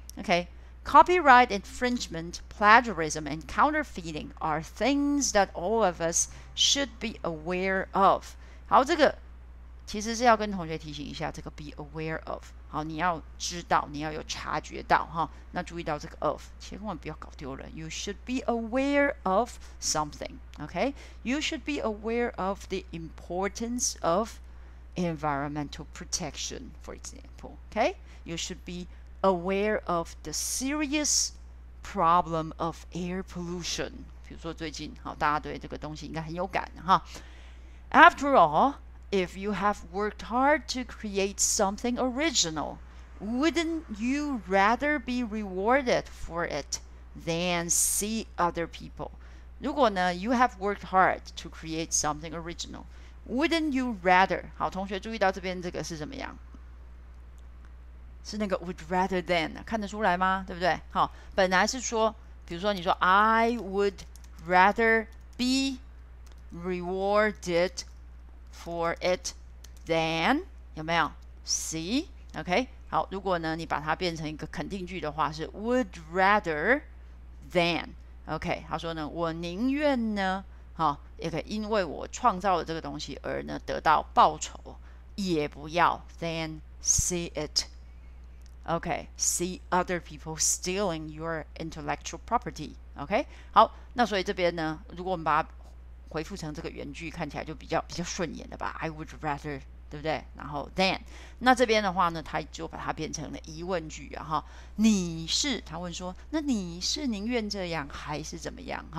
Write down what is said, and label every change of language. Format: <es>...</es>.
<en>OK，copyright infringement, plagiarism, and counterfeiting are things that all of us should be aware of。</en> <zh>好，这个其实是要跟同学提醒一下，这个</zh> <en>be aware of。</en> <zh>好，你要知道，你要有察觉到哈。那注意到这个 of，千万不要搞丢了。</zh> <en>You should be aware of something, okay? You should be aware of the importance of environmental protection, for example, okay? You should be aware of the serious problem of air pollution.</en> <zh>比如说最近，好，大家对这个东西应该很有感哈。</zh> <en>After all. If you have worked hard to create something original, wouldn't you rather be rewarded for it than see other people?</en> <zh>如果呢,</zh> <en>you have worked hard to create something original, wouldn't you rather?</en> <zh>好，同学注意到这边这个是怎么样？是那个</zh> <en>would rather than,</en> <zh>看得出来吗？对不对？好，本来是说，比如说你说</zh> <en>I would rather be rewarded. For it, then</en> <zh>有没有</zh> <en>see?</en> <zh>OK, 好，如果呢你把它变成一个肯定句的话，是</zh> <en>would rather than.</en> <zh>OK, 他说呢，我宁愿呢，好，也可以因为我创造了这个东西而呢得到报酬，也不要</zh> <en>than see it. OK, see other people stealing your intellectual property.</en> <zh>OK, 好，那所以这边呢，如果我们把它回复成这个原句，看起来就比较顺眼的吧。</zh> <en>I would rather，</en> <zh>对不对？然后 than， 那这边的话呢，他就把它变成了疑问句啊，哈。你是他问说，那你是宁愿这样还是怎么样？</zh>